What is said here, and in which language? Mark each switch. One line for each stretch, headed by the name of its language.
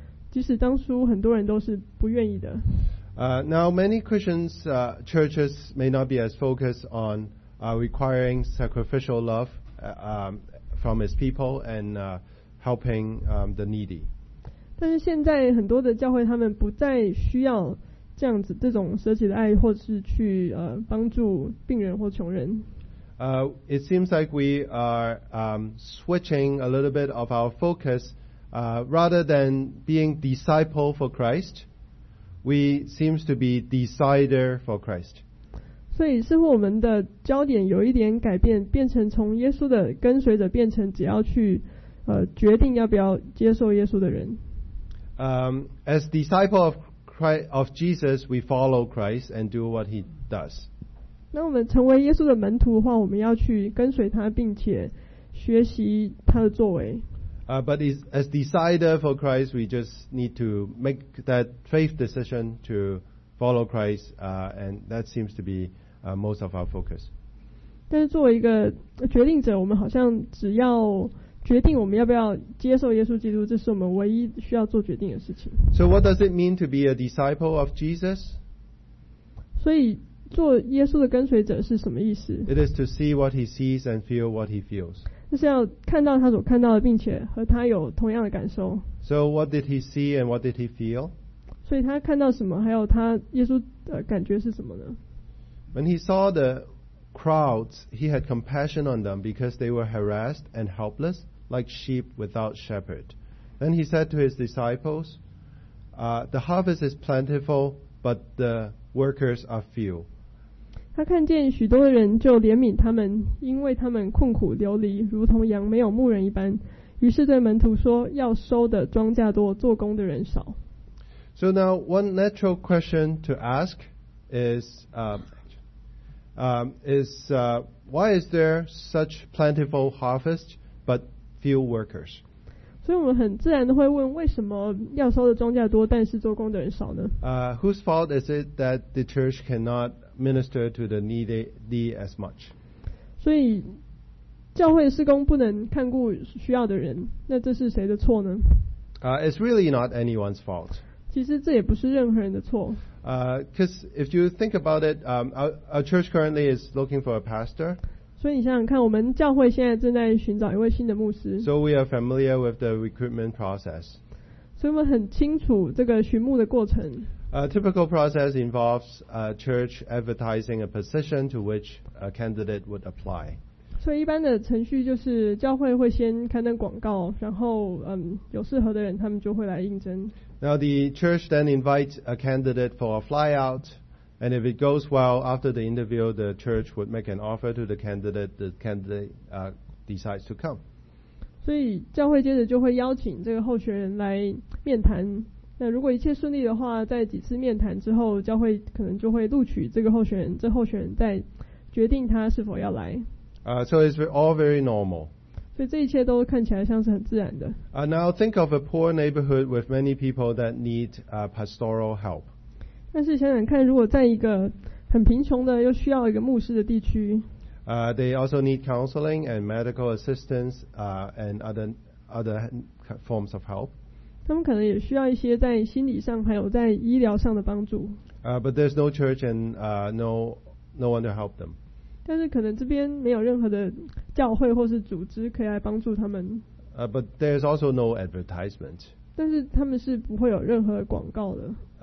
Chinese: 即使当初很多人都是不愿意的。
English: Now many Christians churches may not be as focused on requiring sacrificial love from his people and helping the needy.
Chinese: 但是现在很多的教会他们不再需要这样子这种舍己的爱，或是去帮助病人或穷人。
English: It seems like we are switching a little bit of our focus rather than being disciple for Christ. We seem to be decider for Christ.
Chinese: 所以似乎我们的焦点有一点改变，变成从耶稣的跟随者变成只要去决定要不要接受耶稣的人。
English: As disciple of Christ, of Jesus, we follow Christ and do what he does.
Chinese: 那我们成为耶稣的门徒的话，我们要去跟随他，并且学习他的作为。
English: But as decider for Christ, we just need to make that faith decision to follow Christ, and that seems to be most of our focus.
Chinese: 但是作为一个决定者，我们好像只要决定我们要不要接受耶稣基督，这是我们唯一需要做决定的事情。
English: So what does it mean to be a disciple of Jesus?
Chinese: 所以做耶稣的跟随者是什么意思？
English: It is to see what he sees and feel what he feels.
Chinese: 就是要看到他所看到的，并且和他有同样的感受。
English: So what did he see and what did he feel?
Chinese: 所以他看到什么，还有他耶稣的感觉是什么呢？
English: When he saw the crowds, he had compassion on them because they were harassed and helpless like sheep without shepherd. Then he said to his disciples, the harvest is plentiful, but the workers are few.
Chinese: 他看见许多人就怜悯他们，因为他们困苦流离，如同羊没有牧人一般。于是对门徒说，要收的庄稼多，做工的人少。
English: So now one natural question to ask is, why is there such plentiful harvest but few workers?
Chinese: 所以我们很自然的会问，为什么要收的庄稼多，但是做工的人少呢？
English: Whose fault is it that the church cannot minister to the needy as much?
Chinese: 所以教会事工不能看顾需要的人，那这是谁的错呢？
English: It's really not anyone's fault.
Chinese: 其实这也不是任何人的错。
English: Because if you think about it, our church currently is looking for a pastor.
Chinese: 所以你想想看，我们教会现在正在寻找一位新的牧师。
English: So we are familiar with the recruitment process.
Chinese: 所以我们很清楚这个寻牧的过程。
English: Typical process involves church advertising a position to which a candidate would apply.
Chinese: 所以一般的程序就是教会会先刊登广告，然后有适合的人，他们就会来应征。
English: Now the church then invites a candidate for a flyout, and if it goes well after the interview, the church would make an offer to the candidate. The candidate decides to come.
Chinese: 所以教会接着就会邀请这个候选人来面谈。那如果一切顺利的话，在几次面谈之后，教会可能就会录取这个候选人。这候选人再决定他是否要来。
English: So it's all very normal.
Chinese: 所以这一切都看起来像是很自然的。
English: Now think of a poor neighborhood with many people that need pastoral help.
Chinese: 但是想想看，如果在一个很贫穷的又需要一个牧师的地区。
English: They also need counseling and medical assistance and other forms of help.
Chinese: 他们可能也需要一些在心理上还有在医疗上的帮助。
English: But there's no church and no one to help them.
Chinese: 但是可能这边没有任何的教会或是组织可以来帮助他们。
English: But there is also no advertisement.
Chinese: 但是他们是不会有任何广告的。